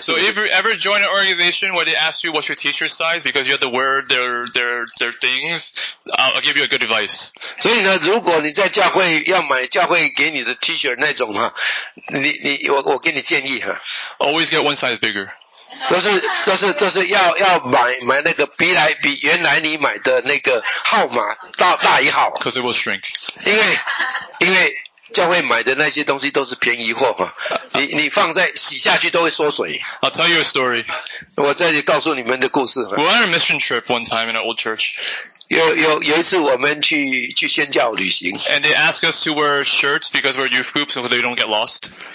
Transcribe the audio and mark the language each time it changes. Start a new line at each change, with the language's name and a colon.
English: So if you ever join an organization where they ask you what's your t-shirt size because you have to wear their things, I'll give you a good advice.
Chinese: 所以呢，如果你在教会要买教会给你的 t-shirt 那种哈，你我给你建议哈。
English: Always get one size bigger.
Chinese: 都是要买那个比原来你买的那个号码大一号。
English: Because it will shrink.
Chinese: 因为教会买的那些东西都是便宜货，你放在洗下去都会缩水。
English: I'll tell you a story.
Chinese: 我再告诉你们的故事。
English: We were on a mission trip one time in an old church.
Chinese: 有一次我们去宣教旅行。
English: And they asked us to wear shirts because we're youth groups so they don't get lost.